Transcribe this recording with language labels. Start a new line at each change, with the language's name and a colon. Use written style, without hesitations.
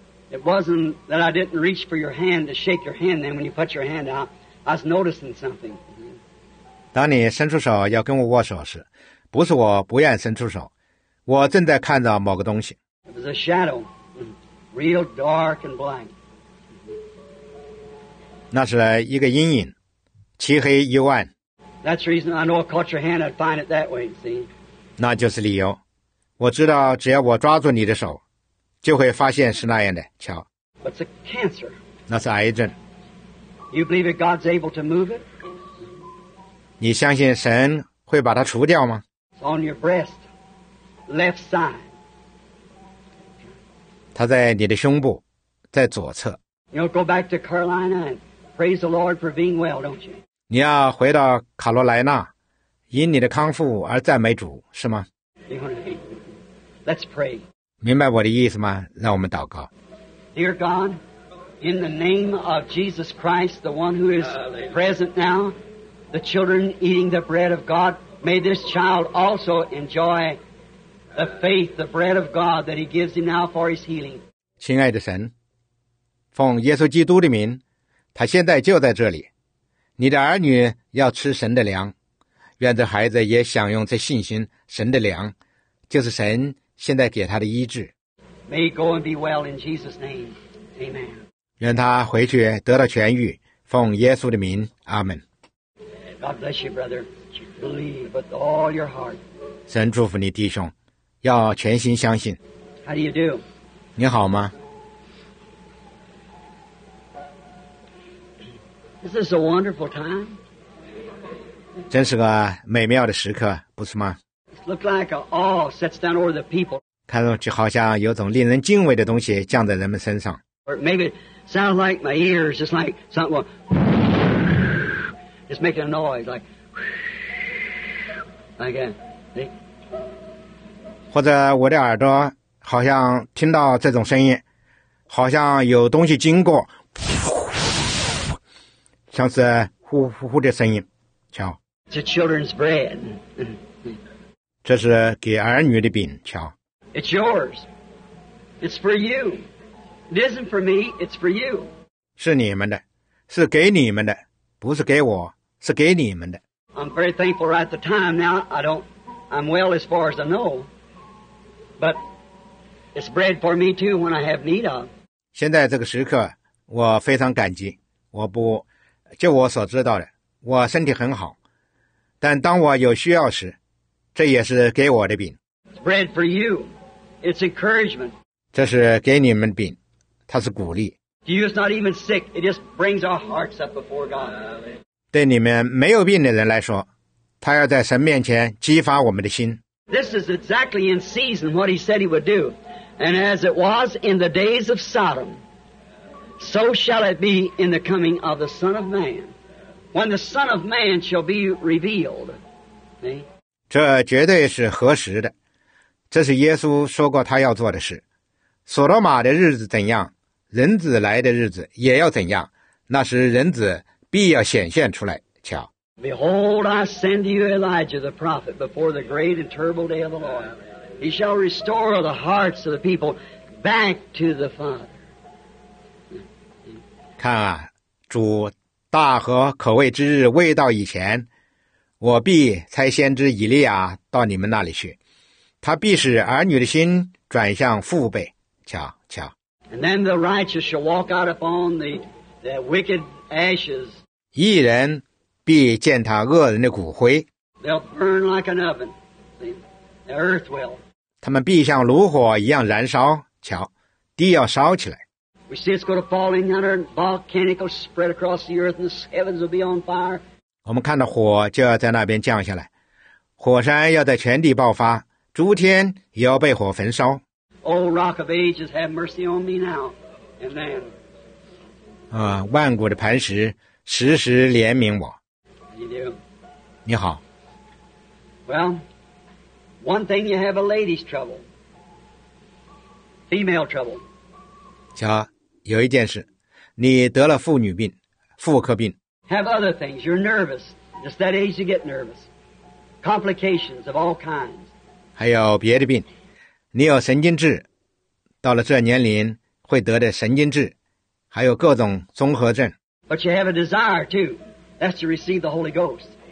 English: It wasn't that I didn't reach for your hand to shake your hand then when you put your hand out. I was noticing something.
Chinese: 当你伸出手要跟我握手时，不是我不愿伸出手，我正在看着某个东西。
English: It was a shadow, real dark and blank.
Chinese: 那是一个阴影，漆黑幽暗。
English: That's the reason I know I caught your hand, I'd find it that way, see?
Chinese: 那就是理由。我知道只要我抓住你的手，就会发现是那样的，瞧。
English: But it's a cancer.
Chinese: 那是癌症。
English: You believe that God's able to move it?
Chinese: 你相信神会把它除掉吗？
English: It's on your breast, left side.
Chinese: 它在你的胸部，在左侧。
English: You know, go back to Carolina and praise the Lord for being well, don't you?
Chinese: 你要回到卡罗来纳，因你的康复而赞美主，是吗？
English: Let's pray.
Chinese: 明白我的意思吗？让我们祷告。
English: Dear God, in the name of Jesus Christ, the one who is present now, the children eating the bread of God, may this child also enjoy the faith, the bread of God that he gives him now for his healing.
Chinese: 亲爱的神，奉耶稣基督的名，他现在就在这里。你的儿女要吃神的粮，愿这孩子也享用这信心。神的粮就是神现在给他的医治。
English: May he go and be well in Jesus' name. Amen.
Chinese: 愿他回去得到痊愈，奉耶稣的名，阿门。
English: God bless you, brother. Believe with all your heart.
Chinese: 神祝福你，弟兄，要全心相信。
English: How do you do?
Chinese: 你好吗？
English: This is a wonderful time.
Chinese: 真是个美妙的时刻，不是吗？
English: It looks like an awe sets down over the people.
Chinese: 看上去好像有种令人敬畏的东西降在人们身上。
English: Or maybe it sounds like my ears, just like something, just making a noise, like that.
Chinese: 或者我的耳朵好像听到这种声音，好像有东西经过。像是呼呼呼的声音，瞧。
English: It's a children's bread.
Chinese: 这是给儿女的饼，瞧。
English: It's yours. It's for you. It isn't for me. It's for you.
Chinese: 是你们的，是给你们的，不是给我，是给你们的。
English: I'm very thankful right at the time. Now I'm well as far as I know. But it's bread for me too when I have need of.
Chinese: 现在这个时刻，我非常感激。我不。就我所知道的，我身体很好，但当我有需要时，这也是给我的饼。
English: It's bread for you. It's encouragement.
Chinese: 这是给你们饼，它是鼓励。
English: You're not even sick. It just brings our hearts up before God.
Chinese: 对你们没有病的人来说，他要在神面前激发我们的心。
English: This is exactly in season what he said he would do. And as it was in the days of Sodom,So shall it be in the coming of the Son of Man, when the Son of Man shall be revealed.
Chinese: 这绝对是合时的。这是耶稣说过他要做的事。所罗马的日子怎样，人子来的日子也要怎样。那时人子必要显现出来。瞧。
English: Behold, I send you Elijah the prophet before the great and terrible day of the Lord. He shall restore the hearts of the people back to the Father.
Chinese: 看啊，主大和可畏之日未到以前，我必差先知以利亚到你们那里去，他必使儿女的心转向父辈。瞧瞧。
English: And then the righteous shall walk out upon the wicked ashes.
Chinese: 义人必践踏恶人的骨灰。
English: They'll burn like an oven. The earth will.
Chinese: 他们必像炉火一样燃烧。瞧，地要烧起来。
English: We see it's going to fall in yonder volcanic spread across the earth, and the heavens will be on fire.
Chinese: 我们看到火就要在那边降下来，火山要在全地爆发，诸天也要被火焚烧。
English: O Rock of Ages, have mercy on me now, and then.
Chinese: 啊，万古的磐石，时时怜悯我。
English: You do.
Chinese: 你好。
English: Well, one thing you have a lady's trouble. Female trouble.
Chinese: 瞧，有一件事，你得了妇女病，妇科病。
English: Have other things. You're nervous. Just that age you get nervous. Complications of all kinds.
Chinese: 还有别的病。你有神经质，到了这年龄会得的神经质，还有各种综合症。
English: But you have a desire too. That's to receive the Holy Ghost.